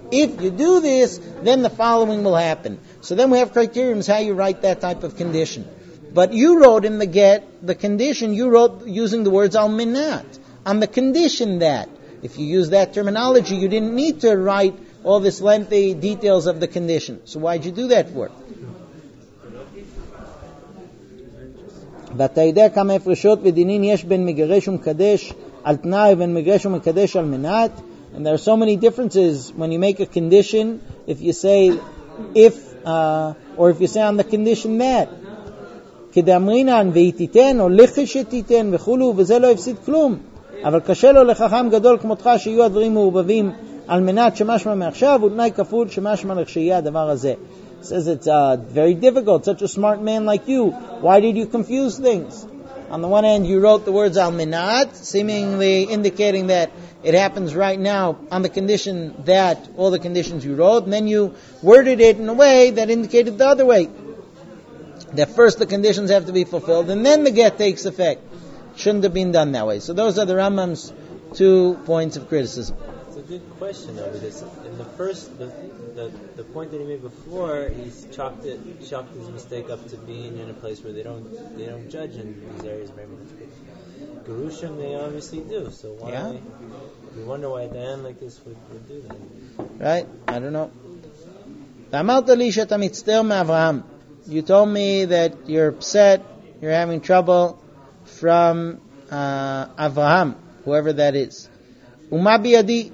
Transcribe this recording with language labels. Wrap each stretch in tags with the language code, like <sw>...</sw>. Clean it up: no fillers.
<en>If you do this, then the following will happen. So then we have criteria how you write that type of condition. But you wrote in the get, the condition, you wrote using the words al-minat. On the condition that. If you use that terminology, you didn't need to write all this lengthy details of the condition. So why'd you do that for?</en> <he>ואתה יודע כמה הפרשות ודינים יש בין מגרש ומקדש על תנאי ובין מגרש ומקדש על מנת.</he> <en>And there are so many differences when you make a condition, if you say if, or if you say on the condition that.</en> <he>כדאמרינן, והיא תיתן, או לכי שתיתן וכולו, וזה לא הפסיד כלום. אבל קשה לו לחכם גדול כמותך שיהיו הדברים מעורבבים על מנת שמשמע מעכשיו, ותנאי כפול שמשמע לכשיהיה הדבר הזה.</he> <en>Says it's very difficult, such a smart man like you. Why did you confuse things? On the one hand, you wrote the words al-minat, seemingly indicating that it happens right now on the condition that all the conditions you wrote, and then you worded it in a way that indicated the other way. That first the conditions have to be fulfilled, and then the get takes effect. Shouldn't have been done that way. So those are the Rambam's two points of criticism. Good question though, because in the first the point that he made before, he's chalked his mistake up to being in a place where they don't judge in these areas very much. Gerushim they obviously do, so why? Yeah. We wonder why a Dayan like this would do that. Right? I don't know.</en> <he>ואמרת לי שאתה מצטער מאברהם.</he> <en>You told me that you're upset, you're having trouble from Avraham, whoever that is.</en> <he>ומה בידי?</he>